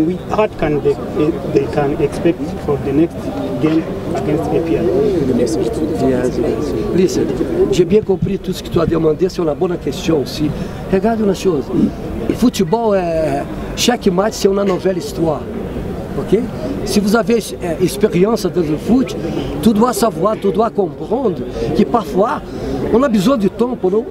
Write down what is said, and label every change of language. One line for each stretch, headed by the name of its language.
English: What can they expect for the next game against APR? Listen,
French: j'ai bien compris tout ce que tu as demandé, c'est une bonne question aussi. Regarde une chose, football, chaque match c'est une nouvelle histoire. Ok?
Portuguese: Se você tiver experiência dentro do futebol,
French: tu dois savoir, tu dois comprendre que, parfois, on a besoin de tempo.